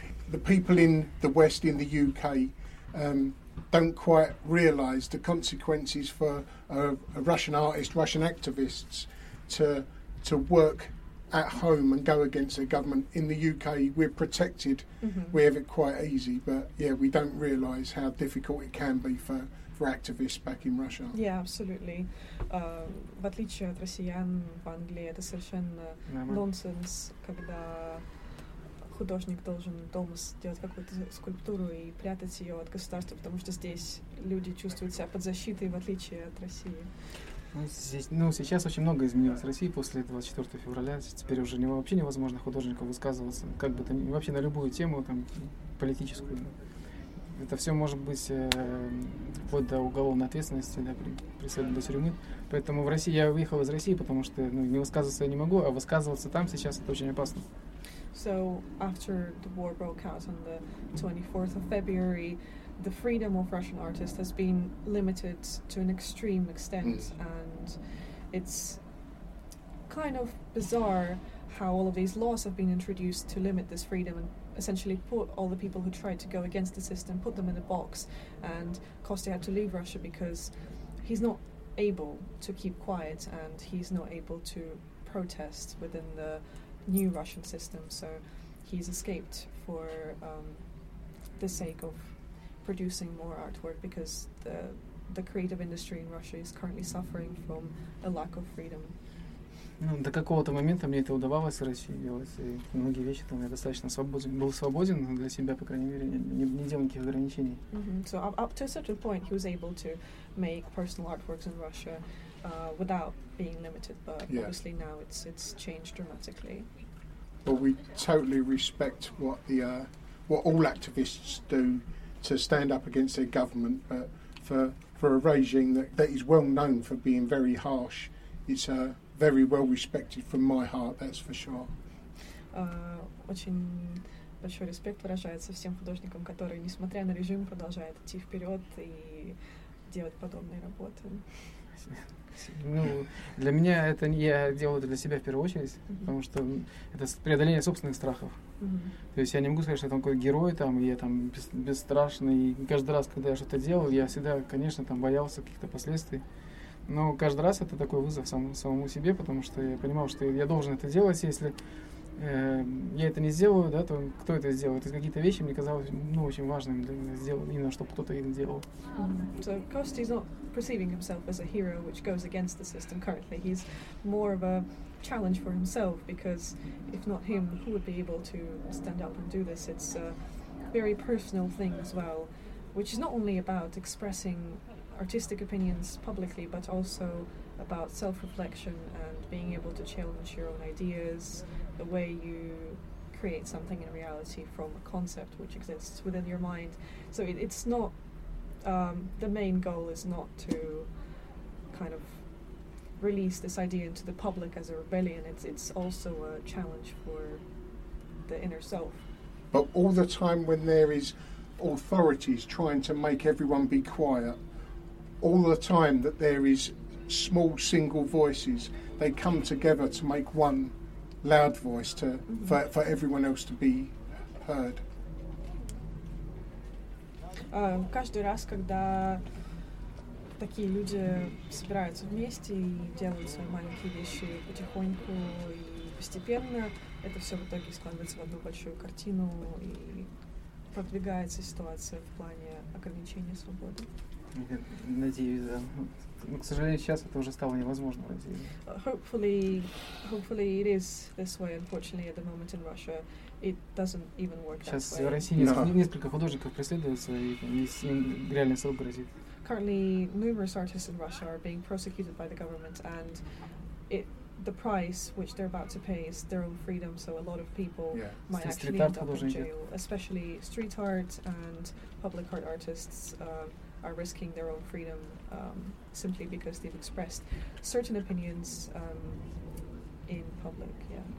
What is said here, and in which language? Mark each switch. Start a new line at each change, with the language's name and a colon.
English: The people in the West, in the UK, don't quite realise the consequences for a Russian artist, Russian activists, to work at home and go against their government. In the UK, we're protected. Mm-hmm. We have it quite easy, but yeah, we don't realise how difficult it can be for activists back in Russia. Yeah, absolutely.
Russian: В отличие от россиян в Англии, это совершенно нонсенс, когда художник должен дома сделать какую-то скульптуру и прятать ее от государства, потому что здесь люди чувствуют себя под защитой, в отличие от России. Сейчас очень многое изменилось в России после 24 февраля. Теперь уже вообще невозможно художнику высказываться, как бы то ни вообще на любую тему, там, политическую. Это все может быть вплоть до уголовной ответственности, да, преследования до тюрьмы. Поэтому в России я выехал из России, потому что ну, не высказываться я не могу, а высказываться там сейчас это очень опасно.
English: So after the war broke out on the 24th of February, the freedom of Russian artists has been limited to an extreme extent, and it's kind of bizarre how all of these laws have been introduced to limit this freedom and essentially put all the people who tried to go against the system, put them in a box, and Kostya had to leave Russia because he's not able to keep quiet and he's not able to protest within the new Russian system, so he's escaped for the sake of producing more artwork because the creative industry in Russia is currently suffering from a lack of freedom.
Russian: Ну, до какого-то момента мне это удавалось в России делать, и многие вещи там я достаточно свободен. Был свободен для себя, по крайней мере, не делал никаких ограничений.
English: Mm-hmm. So up to a certain point he was able to make personal artworks in Russia without being limited, but yeah. Obviously now it's changed dramatically. But we totally respect what what all activists do to stand up against their government, but for a regime that is well known for being very harsh, it's a very well respected from my heart, that's for sure.
Russian: Очень большой респект выражается всем художникам, которые, несмотря на режим, продолжают идти вперед и делать подобные работы. Ну, для меня это я делаю это для себя в первую очередь, потому что это преодоление собственных страхов. То есть я не могу сказать, что я там какой-то герой, там, я там бесстрашный. И каждый раз, когда я что-то делал, я всегда, конечно, там боялся каких-то последствий. Но каждый раз это такой вызов самому себе, потому что я понимал, что я должен это делать. Если я это не сделаю, да, то кто это сделает? То есть какие-то вещи мне казалось ну, очень важными сделать, именно чтобы кто-то их делал.
English: So Kostya is not perceiving himself as a hero, which goes against the system currently. He's more of a challenge for himself, because if not him, who would be able to stand up and do this? It's a very personal thing as well, which is not only about expressing artistic opinions publicly, but also about self-reflection and being able to challenge your own ideas, the way you create something in reality from a concept which exists within your mind. So it's not the main goal is not to kind of release this idea into the public as a rebellion. It's also a challenge for the inner self. But all the time when there is authorities trying to make everyone be quiet, all the time that there is small single voices, they come together to make one loud voice to for everyone else to be heard.
Russian: Каждый раз, когда такие люди собираются вместе и делают свои маленькие вещи потихоньку и постепенно, это все в итоге складывается в одну большую картину и продвигается ситуация в плане ограничения свободы. Надеюсь, да. Но, к сожалению, сейчас это уже стало невозможно в России.
English: Hopefully it is this way. Unfortunately, at the moment in Russia, it doesn't even work that way.
Russian: Сейчас в России несколько художников преследуются, и им реальный срок грозит.
English: Currently, numerous artists in Russia are being prosecuted by the government, and the price which they're about to pay is their own freedom, so a lot of people might actually end up in jail. Especially street art and public art artists are risking their own freedom simply because they've expressed certain opinions in public, yeah.